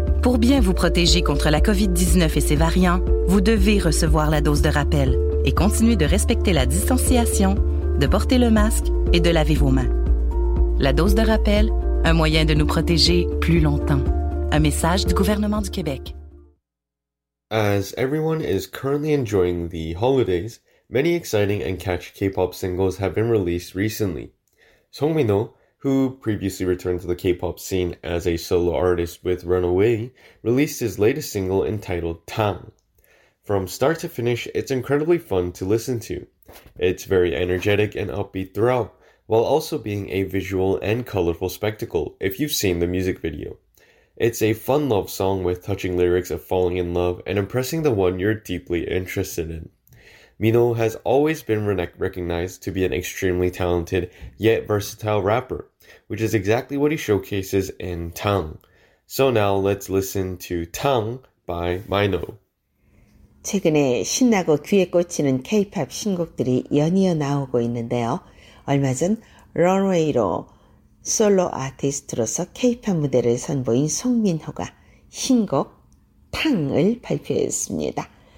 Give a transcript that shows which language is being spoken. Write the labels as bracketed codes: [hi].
[fr] Pour bien vous protéger contre la COVID-19 et ses variants, vous devez recevoir la dose de rappel et continuer de respecter la distanciation, de porter le masque et de laver vos mains. La dose de rappel, un moyen de nous protéger plus longtemps. Un message du gouvernement du Québec. [en] As everyone is currently enjoying the holidays, many exciting and catchy K-pop singles have been released recently. Song Min-ho, who previously returned to the K-pop scene as a solo artist with Runaway, released his latest single entitled Tang. From start to finish, it's incredibly fun to listen to. It's very energetic and upbeat throughout, while also being a visual and colorful spectacle if you've seen the music video. It's a fun love song with touching lyrics of falling in love and impressing the one you're deeply interested in. Min-ho has always been recognized to be an extremely talented yet versatile rapper, which is exactly what he showcases in Tang. So now let's listen to Tang by Min-ho. [ko] 최근에 신나고 귀에 꽂히는 K-pop 신곡들이 연이어 나오고 있는데요. 얼마 전 Runaway로 솔로 아티스트로서 K-pop 무대를 선보인 송민호가 신곡 탕을 발표했습니다.